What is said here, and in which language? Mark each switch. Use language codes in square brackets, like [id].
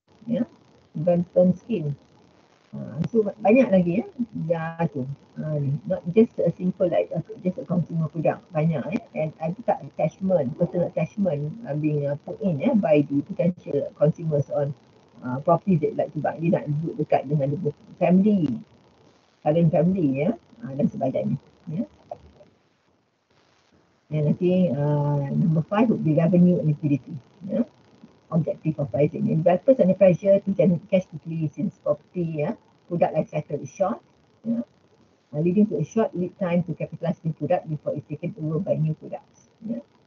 [en] Yeah? Development scheme. So [ms] banyak lagi ya, [en] yeah, tu. Not just a simple like just a consumer product, [ms] banyak ya. [en] And [ms] ada tak [en] attachment, personal attachment being put in ya by the potential consumers on property that like to buy. [ms] Dia nak duduk dekat dengan [en] the family, current family [ms] ya, dan sebagainya. [en] Yeah. And I think number 5 would be revenue and liquidity. Yeah. Objective of pricing. Investors under pressure to generate cash quickly since property, yeah, product life cycle is short, yeah, leading to a short lead time to capitalize new product before it's taken over by new products. Yeah.